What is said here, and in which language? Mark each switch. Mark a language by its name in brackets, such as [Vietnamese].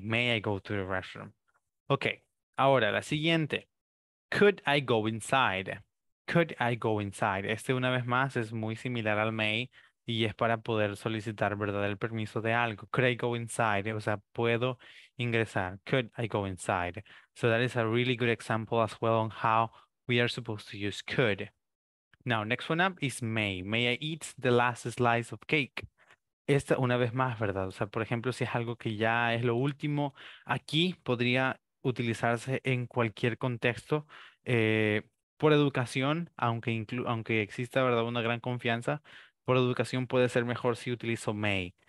[English] May I go to the restroom? [Spanish] Ok, ahora la siguiente. [English] Could I go inside? Could I go inside? [Spanish] Este, una vez más, es muy similar al may y es para poder solicitar, ¿verdad?, el permiso de algo. [English] Could I go inside? [Spanish] O sea, ¿puedo ingresar? [English] Could I go inside? So that is a really good example as well on how we are supposed to use could. Now, next one up is may. May I eat the last slice of cake? [Spanish] Esta, una vez más, ¿verdad? O sea, por ejemplo, si es algo que ya es lo último, aquí podría utilizarse en cualquier contexto por educación, aunque exista, ¿verdad?, una gran confianza, por educación puede ser mejor si utilizo may.